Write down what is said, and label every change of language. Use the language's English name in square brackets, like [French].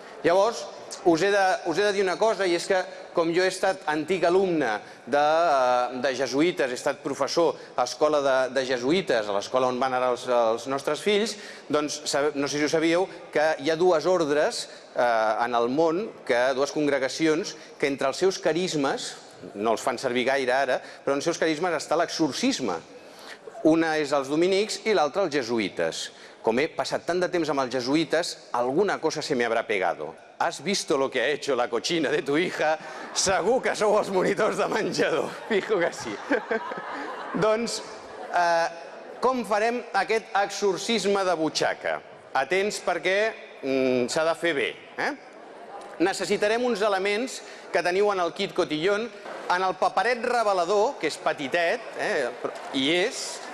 [Catalan] Llavors, us he de dir una cosa, i és que com jo he estat antic alumne de jesuïtes, he estat professor a l'escola de jesuïtes, a l'escola on van anar els nostres fills, doncs no sé si ho sabíeu, que hi ha dues ordres en el món, que dues congregacions, que entre els seus carismes, no els fan servir gaire ara, però en els seus carismes està l'exorcisme. Una és els dominics i l'altra els jesuïtes. Com he passat tant de temps amb els jesuïtes, alguna cosa [Spanish] se me habrá pegado. Has visto lo que ha hecho la cochina de tu hija? [Catalan] Segur que sou els monitors de menjador. [Spanish] Fijo que sí. [Catalan] Doncs, com farem aquest exorcisme de butxaca? Atents, perquè s'ha de fer bé. Necessitarem uns elements que teniu en el kit cotillón, en el paperet revelador, que és petitet, i és...